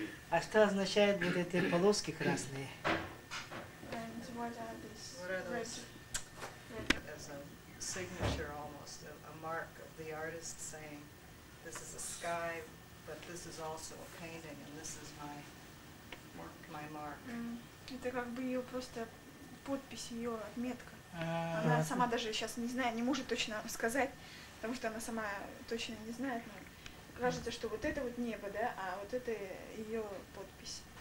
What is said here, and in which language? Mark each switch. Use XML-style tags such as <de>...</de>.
<ru>А что означают вот эти полоски красные?</ru> <en>And what are these? What are those? As a signature almost, a mark of the artist saying, this is a sky, but this is also a painting, and this is my mark.</en> <ru>Это как бы ее просто подпись, ее отметка. Она сама даже сейчас не знает, не может точно сказать, потому что она сама точно не знает. Кажется, что вот это вот небо, да, а вот это ее подпись.</ru>